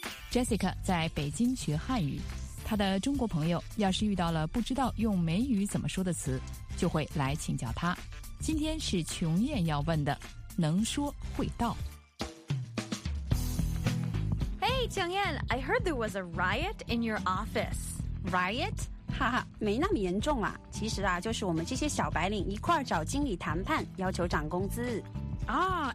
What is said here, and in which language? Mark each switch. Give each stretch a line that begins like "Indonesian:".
Chinese: Jessica 在北京学汉语。他的中国朋友要是遇到了不知道用美语怎么说的词，就会来请教他。今天是琼艳要问的，能说会道。Hey，琼艳，
English: I heard there was a riot in your office. Riot?
Chinese: 哈哈，没那么严重啦。其实啊，就是我们这些小白领一块找经理谈判，要求涨工资。Ah,